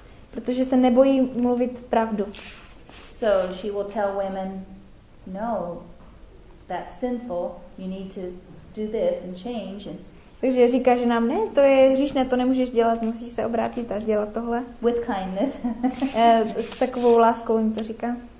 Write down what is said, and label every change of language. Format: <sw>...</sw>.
<cs>Protože se nebojí mluvit pravdu.</cs> <en>So she will tell women, no, that's sinful. You need to do this and change. And</en> <cs>takže říká, že nám ne, to je hříšné, to nemůžeš dělat, musíš se obrátit a dělat tohle.</cs> <en>With kindness.</en> <cs>S takovou láskou jim to říká.</cs>